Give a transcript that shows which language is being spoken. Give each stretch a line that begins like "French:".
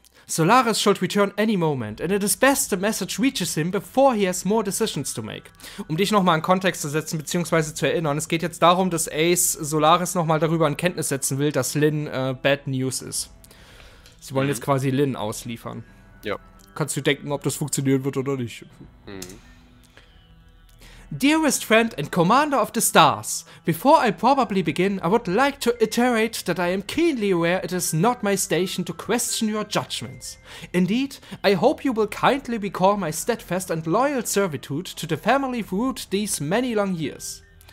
English: Solaris should return any moment, and it is best the message reaches him before he has more decisions to make.
German: Um dich nochmal in Kontext zu setzen, beziehungsweise zu erinnern, es geht jetzt darum, dass Ace Solaris nochmal darüber in Kenntnis setzen will, dass Lin Bad News ist. Sie wollen jetzt quasi Lin ausliefern. Ja. Kannst du denken, ob das funktionieren wird oder nicht?
English: Dearest friend and commander of the stars, before I probably begin, I would like to iterate that I am keenly aware it is not my station to question your judgments. Indeed, I hope you will kindly recall my steadfast and loyal servitude to the family throughout these many long years.